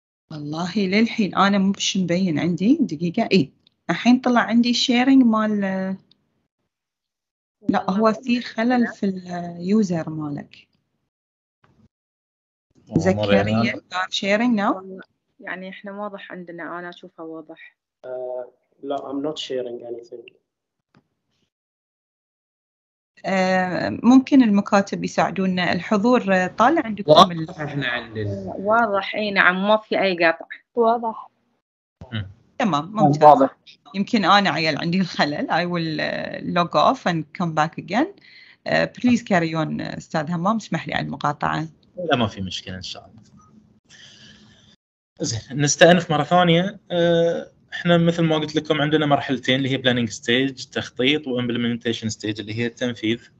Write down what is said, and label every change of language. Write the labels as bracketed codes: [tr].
[ar] والله للحين أنا مو بش مبين عندي، دقيقة. إيه الحين طلع عندي شيرينج مال، لا هو في خلل في اليوزر مالك زكريا، [en] دار sharing now [ar] يعني إحنا واضح عندنا، أنا أشوفها واضح. [en] لا I'm not sharing anything. [ar] ممكن المكاتب يساعدونا، الحضور طالع عندكم واضح؟ اي نعم، ما في اي قطع، واضح تمام ممتاز. يمكن انا عيل عندي الخلل، [en] I will log off and come back again. Please carry on [ar] استاذ همام، اسمح لي على المقاطعه. لا ما في مشكله ان شاء الله. نستأنف مره ثانيه. احنا مثل ما قلت لكم عندنا مرحلتين اللي هي [en] planning stage [ar] تخطيط و [en] implementation stage [ar] اللي هي التنفيذ.